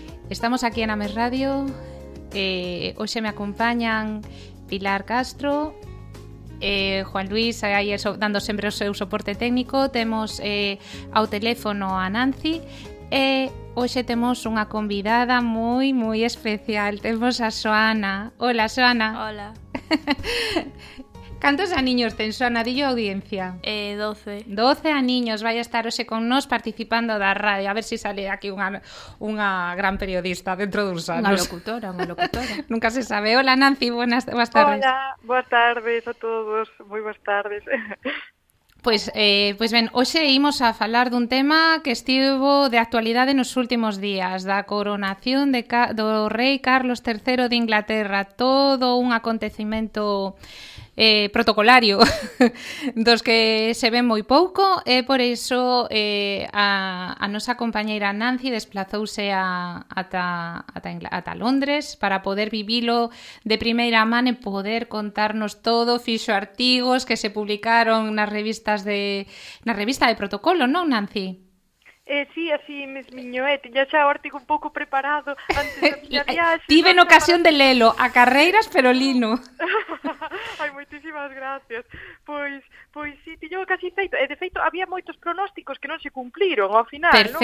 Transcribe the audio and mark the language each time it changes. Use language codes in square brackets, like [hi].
[es] Estamos aquí en Ames Radio. Hoy se me acompañan Pilar Castro, Juan Luis, ahí dando siempre su soporte técnico. Tenemos a teléfono a Nancy. Hoy tenemos una convidada muy, muy especial. Tenemos a Xoana. Hola, Xoana. Hola. [gl] ¿Cuántos aniños ten, Xoana? Dillo audiencia. 12. 12 aniños. Vaya a estar hoxe con nos participando da radio. A ver si sale aquí unha gran periodista dentro duns anos. Unha locutora. [es] Nunca se sabe. Hola, Nancy. Buenas tardes. [gl] Hola. Boas tardes a todos. Muy boas tardes. Pues ben, hoxe imos a falar dun tema que estivo de actualidade nos últimos días, da coronación do rei Carlos III de Inglaterra. Todo un acontecimento protocolario dos que se ven moi pouco, e por iso a nosa compañeira Nancy desplazouse ata Londres para poder vivilo de primeira man e poder contarnos todo. Fixo artigos que se publicaron na revista de protocolo, non, Nancy? Sí, así mesmiño, teña xa o artigo un pouco preparado antes da miña viaxe. Tive en ocasión de lelo, a carreiras, pero lino. Ai, moitísimas gracias. Pois sí, tiño casi feito. De feito, había moitos pronósticos que non se cumpliron ao final, non?